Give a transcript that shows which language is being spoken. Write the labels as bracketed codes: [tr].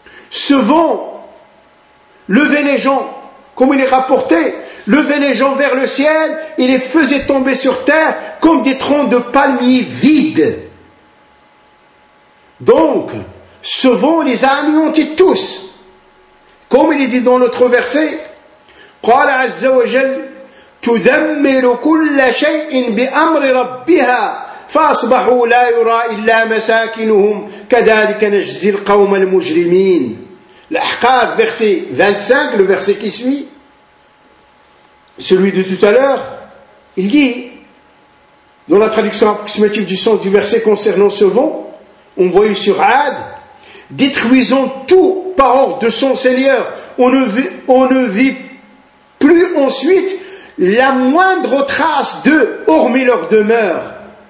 [fr] Ce vent, levait les gens, comme il est rapporté, levait les gens vers le ciel, il les faisait tomber sur terre comme des troncs de palmiers vides. Donc, ce vent les a anéantis tous. Comme il est dit dans l'autre verset, [ar] قال عز وجل تدمر كل شيء بأمر ربها فأصبحوا لا يرى إلا مساكنهم كذلك نجزي القوم المجرمين. [fr] L'Ahqaf, verset 25, le verset qui suit, celui de tout à l'heure, il dit, dans la traduction approximative du sens du verset concernant ce vent, envoyé sur Ad, détruisons tout par ordre de son Seigneur, on ne vit plus ensuite la moindre trace d'eux, hormis leur demeure.